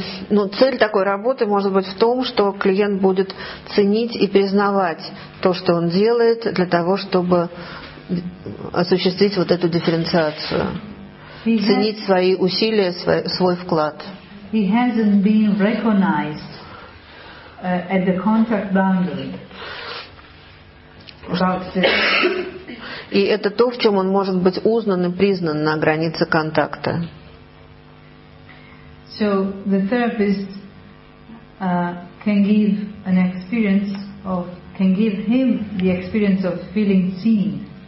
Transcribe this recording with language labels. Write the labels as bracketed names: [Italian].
[Russian] Ну, цель такой работы может быть в том, что клиент будет ценить и признавать то, что он делает, для того, чтобы осуществить вот эту дифференциацию. Ценить свои усилия, свой вклад. [English] He hasn't been recognized at the contact boundary. [Russian] И это то, в чем он может быть узнан и признан на границе контакта. [English] So the therapist can give an experience of can give him the experience of feeling seen.